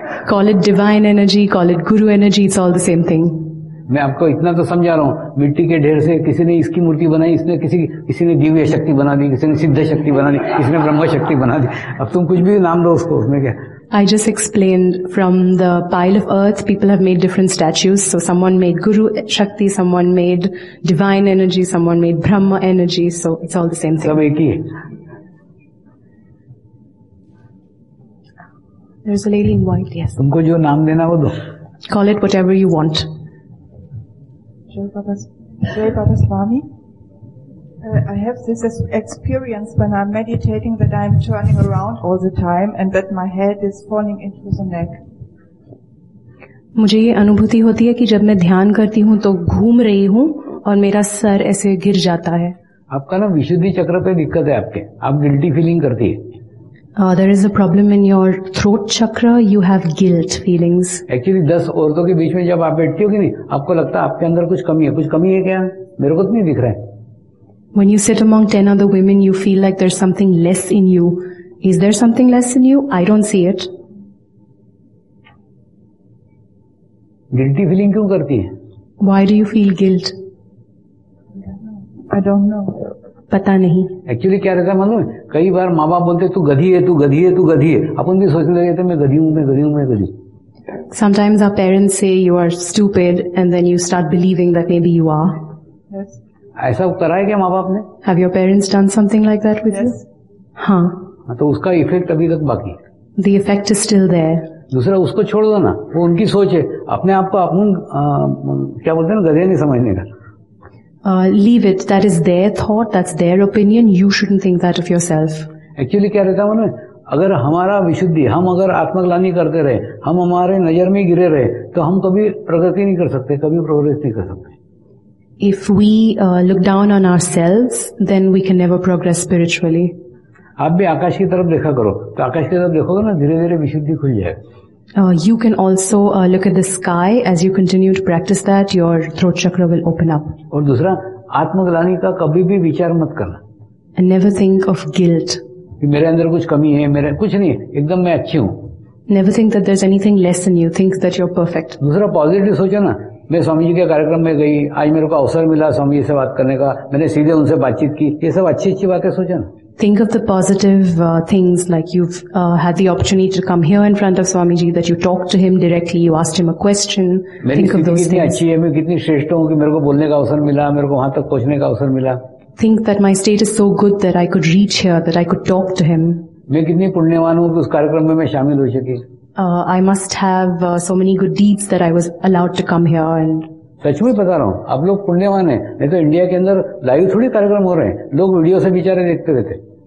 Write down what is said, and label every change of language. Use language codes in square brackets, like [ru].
[en] Call it divine energy call it guru energy it's all the same thing. [hi] मैं आपको इतना तो समझा रहा हूँ, मिट्टी के ढेर से किसी ने इसकी मूर्ति बनाई, इसने किसी किसी ने दिव्य शक्ति बना दी, किसी ने सिद्ध शक्ति बना दी, किसी ने ब्रह्म शक्ति बना दी, अब तुम कुछ भी नाम दो उसको, उसमें क्या. [en] I just explained from the pile of earth, people have made different statues. So someone made Guru Shakti, someone made divine energy, someone made Brahma energy. So it's all the same thing. [hi] Sab ek hi. [en] There's a lady in white, yes. [hi] Tumko jo naam dena ho do. [en] Call it whatever you want. [hi] Jai Baba Swami. [en] I have this experience when I'm meditating that I'm turning around all the time and that my head is falling into the neck. [hi] मुझे ये अनुभूति होती है कि जब मैं ध्यान करती हूँ तो घूम रही हूँ और मेरा सर ऐसे गिर जाता है. आपका ना विशुद्धि चक्र पे दिक्कत है आपके, आप गिल्टी फीलिंग करती है. [en] There is a problem in your throat chakra. You have guilt feelings. [hi] Actually, 10 औरतों के बीच में जब आप बैठती होगी नहीं, आपको लगता है आपके अंदर कुछ कमी है. कुछ कमी है क्या? मेरे को तो नहीं दिख रहा है. [en] When you sit among 10 other women, you feel like there's something less in you. Is there something less in you? I don't see it. [hi] Guilty feeling क्यों करती है? [en] Why do you feel guilt? I don't know. [hi] पता नहीं. Actually क्या रहता है मालूम है, कई बार माँ बाप बोलते तू गधी है, तू गधी है, तू गधी है, अपन भी सोचने लगे थे मैं गधी हूँ, मैं गधी हूँ, मैं गधी. [en] Sometimes our parents say you are stupid and then you start believing that maybe you are. Yes. [hi] ऐसा करा है क्या माँ बाप ने? [en] Have your parents done something like that with yes. you? [hi] हाँ. तो उसका इफेक्ट अभी तक बाकी. [en] The effect is still there. [hi] दूसरा उसको छोड़ दो ना, वो उनकी सोच है, अपने आप को अपन क्या बोलते हैं ना, गधे नहीं समझने का. [en] Leave it. That is their thought. That's their opinion. You shouldn't think that of yourself. [hi] Actually, क्या रहता है मन में? अगर हमारा विशुद्धि, हम अगर आत्मग्लानी करते रहे, हम हमारे नजर में गिरे रहे, तो हम कभी प्रगति नहीं कर सकते, कभी प्रोग्रेस नहीं कर सकते. [en] If we look down on ourselves, then we can never progress spiritually. [hi] आप भी आकाश की तरफ देखा करो, तो आकाश की तरफ देखोगे ना, धीरे-धीरे विशुद्धि खुल जाए. [en] You can also look at the sky. As you continue to practice that, your throat chakra will open up. [hi] और दूसरा, आत्मग्लानि का कभी भी विचार मत करना. [en] And never think of guilt. [hi] कि मेरे अंदर कुछ कमी है, मेरे कुछ नहीं, एकदम मैं अच्छी हूँ. [en] Never think that there's anything less in you. Think that you're perfect. [hi] दूसरा पॉजिटिव सोचो ना, मैं स्वामी जी के कार्यक्रम में गई, आज मेरे को अवसर मिला स्वामी जी से बात करने का, मैंने सीधे उनसे बातचीत की, ये सब अच्छी अच्छी बातें सोचो ना. [en] Think of the positive things, like you've had the opportunity to come here in front of Swamiji, that you talked to him directly, you asked him a question. Think of those things. [hi] अच्छी है, मैं कितनी श्रेष्ठ हूँ कि मेरे को बोलने का अवसर मिला, मेरे को वहाँ तक पहुँचने का अवसर मिला. [en] Think that my state is so good that I could reach here, that I could talk to him. [hi] मैं कितनी पुण्यवान हूँ कि उस कार्यक्रम में मैं शामिल हो सकी. [en] I must have so many good deeds that I was allowed to come here and. [hi] सच में बता रहा हूँ, आप लोग पुण्यवान हैं, नहीं तो इंडिया के अंदर लाइव थोड़ी कार्यक्रम हो रहे हैं, लोग वीडियो से बेचारे देखते रहते.